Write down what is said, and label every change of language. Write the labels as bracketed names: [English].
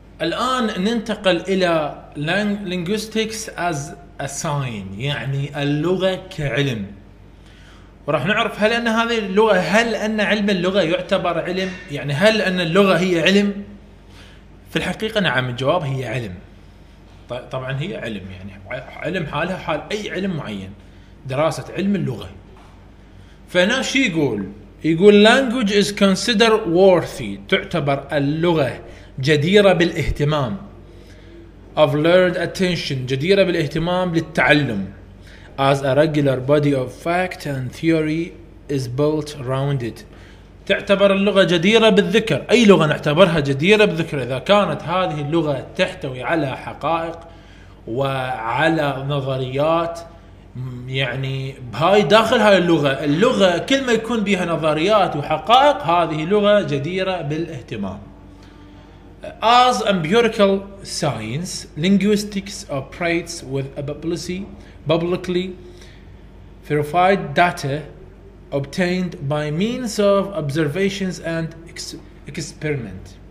[Arabic] الآن ننتقل إلى [English] linguistics as a sign، [Arabic] يعني اللغة كعلم، وراح نعرف هل ان هذه اللغه هل ان علم اللغه يعتبر علم، يعني هل ان اللغه هي علم. في الحقيقه نعم، الجواب هي علم، طبعا هي علم، يعني علم حالها حال اي علم معين. دراسة علم اللغة. فهنا شي يقول؟ يقول [English] language is considered worthy، [Arabic] تعتبر اللغة جديرة بالاهتمام، [English] of learned attention، [Arabic] جديرة بالاهتمام للتعلم، [English] as a regular body of fact and theory is built around it، [Arabic] تعتبر اللغة جديرة بالذكر. أي لغة نعتبرها جديرة بالذكر؟ إذا كانت هذه اللغة تحتوي على حقائق وعلى نظريات، يعني بهاي داخل هاي اللغة، اللغة كل ما يكون بها نظريات وحقائق هذه لغة جديرة بالاهتمام. [English] As empirical science, linguistics operates with a publicly verified data obtained by means of observations and experiment.